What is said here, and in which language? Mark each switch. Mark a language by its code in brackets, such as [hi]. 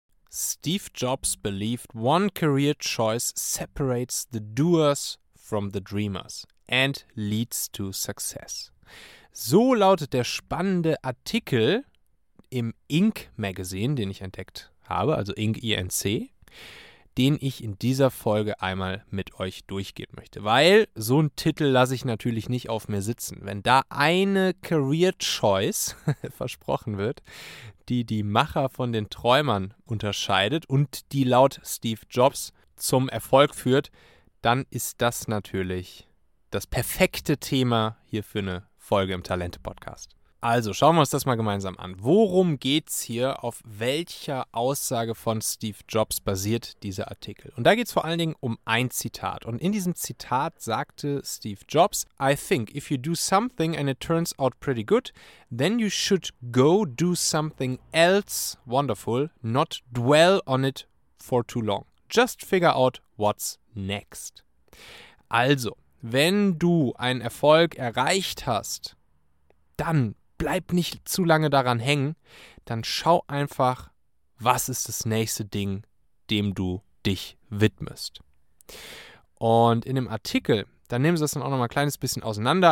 [en] Steve Jobs believed one career choice separates the doers from the dreamers and leads to success. [de] So lautet der spannende Artikel im Inc. Magazine, den ich entdeckt habe, also Inc. INC, den ich in dieser Folge einmal mit euch durchgehen möchte. Weil so einen Titel lasse ich natürlich nicht auf mir sitzen. Wenn da eine Career Choice versprochen wird, die die Macher von den Träumern unterscheidet und die laut Steve Jobs zum Erfolg führt, dann ist das natürlich das perfekte Thema hier für eine Folge im Talente-Podcast. Also schauen wir uns das mal gemeinsam an. Worum geht's hier? Auf welcher Aussage von Steve Jobs basiert dieser Artikel? Und da geht's vor allen Dingen um ein Zitat. Und in diesem Zitat sagte Steve Jobs, [en] I think if you do something and it turns out pretty good, then you should go do something else wonderful, not dwell on it for too long. Just figure out what's next. [de] Also, wenn du einen Erfolg erreicht hast, dann bleib nicht zu lange daran hängen, dann schau einfach, was ist das nächste Ding, dem du dich widmest. Und in dem Artikel, da nehmen sie das dann auch nochmal ein kleines bisschen auseinander.